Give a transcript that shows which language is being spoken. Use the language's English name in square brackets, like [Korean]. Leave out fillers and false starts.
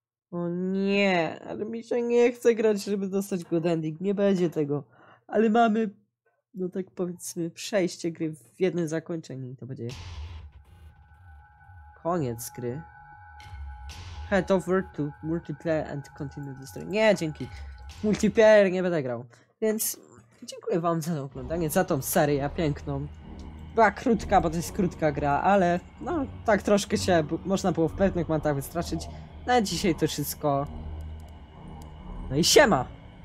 [Polish] O nie, ale mi się nie chce grać, żeby dostać [English] good ending. [Polish] Nie będzie tego. Ale mamy, no tak powiedzmy, przejście gry w jednym zakończeniu i to będzie... Koniec gry. [English] Head over to multiplayer and continue the story. [Polish] Nie, dzięki. Multiplayer nie będę grał. Więc dziękuję wam za to oglądanie, za tą serię piękną. Była krótka, bo to jest krótka gra, ale no tak troszkę się można było w pewnych momentach wystraszyć. Na dzisiaj to wszystko. No i siema!